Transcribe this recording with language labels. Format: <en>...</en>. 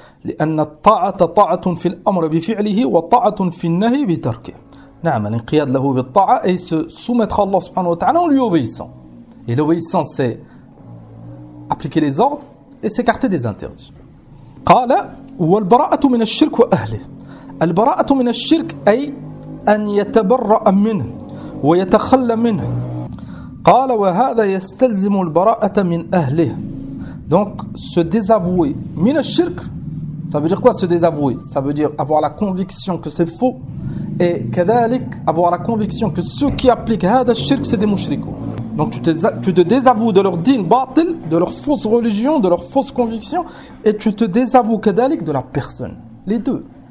<ar>لأن الطاعة طاعة في الأمر بفعله وطاعة في النهي بتركه. نعم الانقياد له بالطاعة أي</ar> <fr>se soumettre à Allah subhanahu wa ta'ala en lui obéissant. Et l'obéissance, c'est appliquer les ordres et s'écarter des interdits.</fr> <ar>قال والبراءة من الشرك وأهله. البراءة من الشرك أي أن يتبرأ منه ويتخلى منه. قال وهذا يستلزم البراءة من أهله.</ar> <fr>Donc se désavouer</fr> <ar>من الشرك.</ar> <fr>Ça veut dire quoi se désavouer? Ça veut dire avoir la conviction que c'est faux et كذلك avoir la conviction que ceux qui appliquent</fr> <ar>هذا الشرك</ar> <fr>c'est des mouchriques. Donc tu te désavoues de leur</fr> <ar>din batil,</ar> <fr>de leur fausse religion, de leur fausse conviction, et tu te désavoues kadalik de la personne. Les deux.</fr>